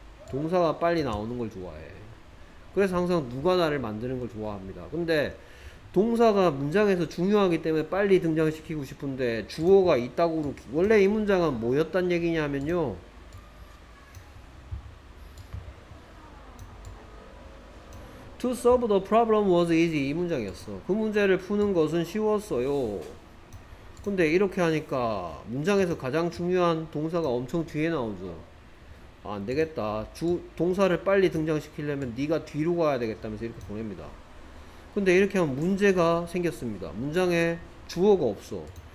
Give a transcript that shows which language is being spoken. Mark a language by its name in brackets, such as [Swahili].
[Korean] 동사가 빨리 나오는 걸 좋아해. 그래서 항상 누가나를 만드는 걸 좋아합니다. 근데 동사가 문장에서 중요하기 때문에 빨리 등장시키고 싶은데 주어가 있다고. 원래 이 문장은 뭐였단 얘기냐면요. [English] 'To solve the problem was easy' [Korean] 이 문장이었어. 그 문제를 푸는 것은 쉬웠어요. 근데 이렇게 하니까 문장에서 가장 중요한 동사가 엄청 뒤에 나오죠. 아, 안 되겠다. 동사를 빨리 등장시키려면 네가 뒤로 가야 되겠다면서 이렇게 보냅니다. 근데 이렇게 하면 문제가 생겼습니다. 문장에 주어가 없어.